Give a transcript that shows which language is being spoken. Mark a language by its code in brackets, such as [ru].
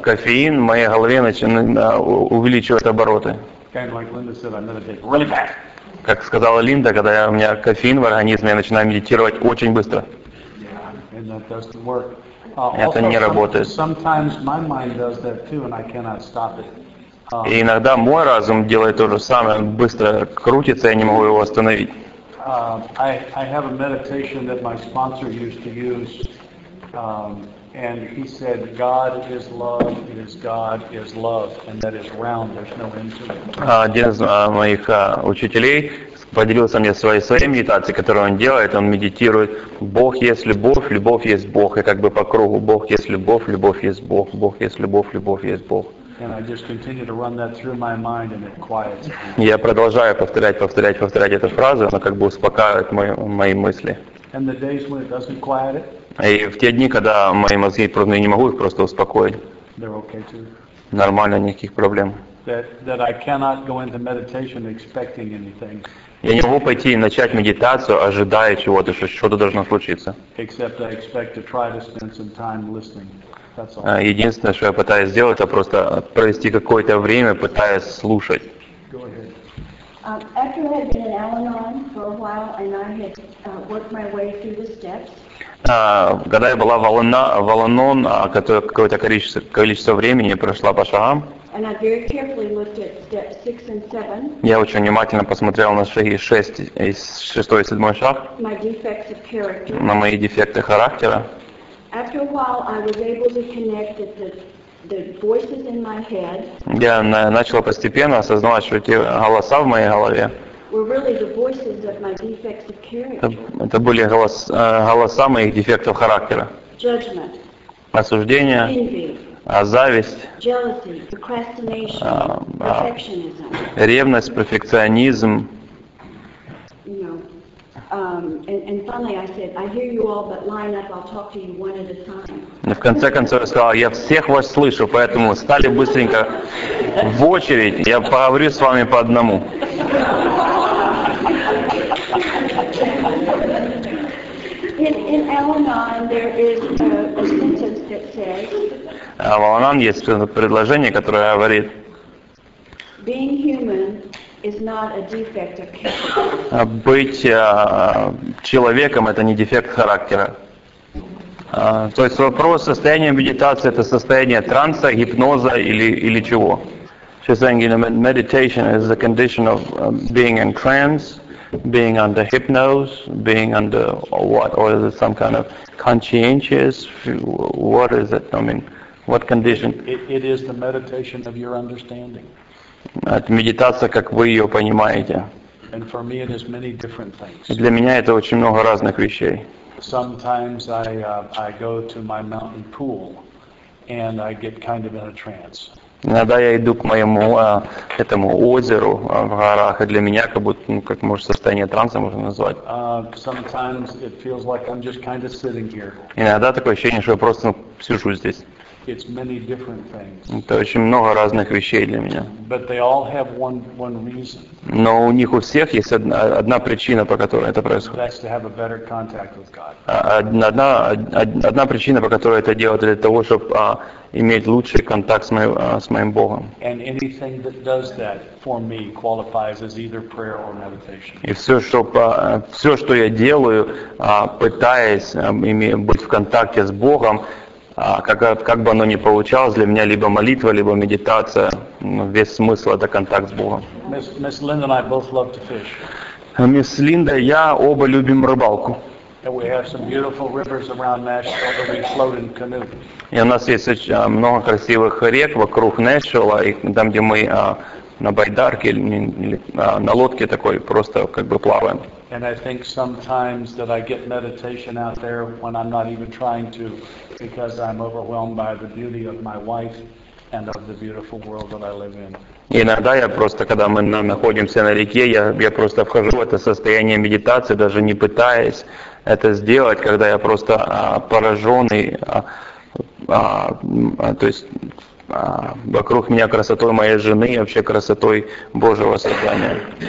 [ru] кофеин в моей голове начинает увеличивать обороты. [en] Kind of like Linda said, I meditate really fast. [ru] Как сказала Линда, когда у меня кофеин в организме, я начинаю медитировать очень быстро. [en] Yeah, and that doesn't work. [ru] Это не работает. [en] Sometimes my mind does that too, and I cannot stop it. [ru] И иногда мой разум делает то же самое, быстро крутится, я не могу его остановить. [en] I have a meditation that my sponsor used to use, and he said, God is love, it is God is love, and that is round, there's no end to it. [ru] Один из моих учителей поделился мне своей медитацией, которую он делает. Он медитирует, Бог есть любовь, любовь есть Бог, и как бы по кругу, Бог есть любовь, любовь есть Бог, Бог есть любовь, любовь есть Бог. [en] And I just continue to run that through my mind, and it quiets me. [ru] Я продолжаю повторять эту фразу, она как бы успокаивает мои мысли. [en] And the days when it doesn't quiet it? [ru] И в те дни, когда мои мозги, я не могу их просто успокоить. [en] Okay, [ru] нормально, никаких проблем. [en] That I cannot go into meditation expecting anything. [ru] Я не могу пойти и начать медитацию, ожидая чего-то, что что-то должно случиться. [en] Except I expect to try to spend some time listening. That's all. [ru] Единственное, что я пытаюсь сделать, это просто провести какое-то время, пытаясь слушать. [en] Go ahead. After I had been in Al-Anon for a while, and I had worked my way through the steps. [ru] Когда я была в Al-Anon, какое-то количество времени прошла по шагам. [en] And I very carefully looked at steps 6 and 7. [ru] Я очень внимательно посмотрел на шаги 6 и 7 шаг. [en] My defects of character. [ru] На мои дефекты характера. [en] After a while, I was able to connect at the voices in my head. [ru] Я начал постепенно осознавать, что эти голоса в моей голове. [en] Were really the voices of my defects of character. [ru] Это были голоса моих дефектов характера. [en] Judgment. [ru] Осуждение. [en] Envy. [ru] Зависть. [en] Jealousy. Procrastination. Perfectionism. [ru] Ревность. Перфекционизм. [en] You know, And finally I said, I hear you all, but line up, I'll talk to you one at a time. [ru] В конце концов я сказал, я всех вас слышу, поэтому встали быстренько в очередь, я поговорю с вами по одному. [en] In Al-Anon there is a sentence that says, [ru] в Al-Anon есть предложение, которое говорит, [en] being human is not a defect of character. [ru] Быть человеком — это не дефект характера. То есть вопрос состояния медитации — это состояние транса, гипноза или чего? [en] She's saying, you know, meditation is the condition of being in trance, being under hypnosis, being under what? Or is it some kind of conscientious? What is it? I mean, what condition? It is the meditation of your understanding. [ru] Это медитация, как вы ее понимаете. [en] And for me, it is many different things. [ru] Для меня это очень много разных вещей. [en] Sometimes I go to my mountain pool and I get kind of in a trance. [ru] Иногда я иду к моему этому озеру в горах, и для меня как будто, ну, как может состояние транса можно назвать. [en] Sometimes it feels like I'm just kind of sitting here. [ru] Иногда такое ощущение, что я просто, ну, сижу здесь. [en] It's many different things. [ru] Это очень много разных вещей для меня. [en] But they all have one reason. [ru] Но у них у всех есть одна причина, по которой это происходит. [en] That's to have a better contact with God. [ru] Одна причина, по которой это делают, для того, чтобы иметь лучший контакт с моим Богом. [en] And anything that does that for me qualifies as either prayer or meditation. [ru] И все, что я делаю, пытаясь быть в контакте с Богом, как бы оно ни получалось, для меня либо молитва, либо медитация, весь смысл — это контакт с Богом. [en] Miss Linda and I both love to fish. [ru] Мисс Линда и я оба любим рыбалку. [en] And we have some beautiful rivers around Nashville that we float in canoe. [ru] И у нас есть много красивых рек вокруг Нэшвилла, и там, где мы на байдарке или на лодке такой просто как бы плаваем. [en] And I think sometimes that I get meditation out there when I'm not even trying to, because I'm overwhelmed by the beauty of my wife and of the beautiful world that I live in. [ru] Иногда я просто, когда мы находимся на реке, я просто вхожу в это состояние медитации, даже не пытаясь это сделать, когда я просто пораженный, то есть вокруг меня красотой моей жены и вообще красотой Божьего создания.